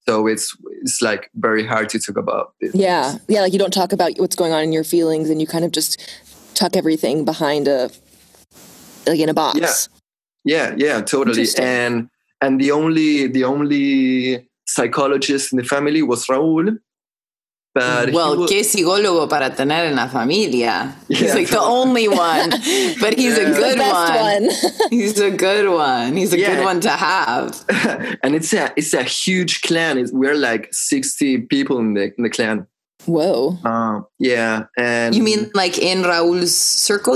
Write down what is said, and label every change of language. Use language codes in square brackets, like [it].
[en] So it's like very hard to talk about this. Yeah, like you don't talk about what's going on in your feelings and you kind of just tuck everything behind in a box. Yeah, totally. And the only psychologist in the family was Raul. But [es] well, que psicólogo para tener en la familia. [en] He's like the only one, but he's a good the best one. He's a good one. He's a good one to have. And it's a huge clan. We're like 60 people in the clan. Whoa. And you mean like in Raúl's circle?